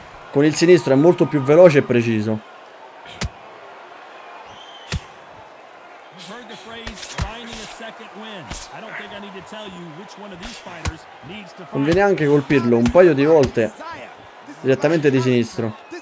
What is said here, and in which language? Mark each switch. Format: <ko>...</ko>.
<it>Con il sinistro è molto più veloce e preciso.</it> <en>You've heard the phrase finding a second wind. I don't think I need to tell you which one of these fighters needs to find.</en> <it>Conviene anche colpirlo un paio di volte direttamente di sinistro.</it>